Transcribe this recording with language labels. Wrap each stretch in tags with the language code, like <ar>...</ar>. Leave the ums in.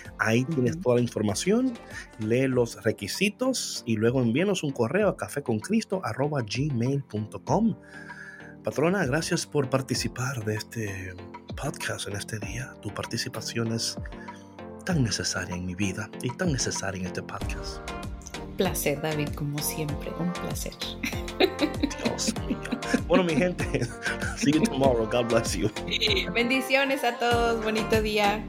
<es>Ahí tienes toda la información. Lee los requisitos y luego envíanos un correo a caféconcristo.gmail.com. Patrona, gracias por participar de este podcast en este día. Tu participación es tan necesaria en mi vida y tan necesaria en este podcast. Placer, David, como siempre, un placer. Dios mío. Bueno, mi gente,</es> <en>see you tomorrow. God bless you.</en> <es>Bendiciones a todos, bonito día.</es>